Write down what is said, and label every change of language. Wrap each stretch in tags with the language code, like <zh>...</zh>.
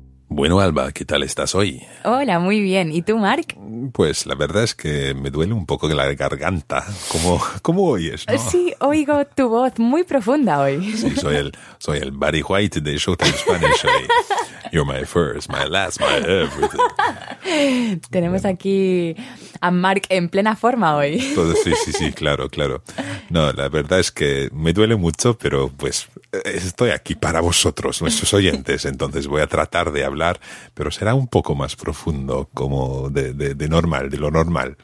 <es>Bueno, Alba, ¿qué tal estás hoy? Hola, muy bien. ¿Y tú, Mark? Pues la verdad es que me duele un poco la garganta. ¿Cómo oyes, no? Sí, oigo tu voz muy profunda hoy. Sí, soy el Barry White de Showtime Spanish hoy.</es> <en>You're my first, my last, my everything.</en> <es>Tenemos aquí a Mark en plena forma hoy. Sí, claro. No, la verdad es que me duele mucho, pero pues estoy aquí para vosotros, nuestros oyentes. Entonces voy a tratar de hablar, pero será un poco más profundo, como de normal, de lo normal.</es>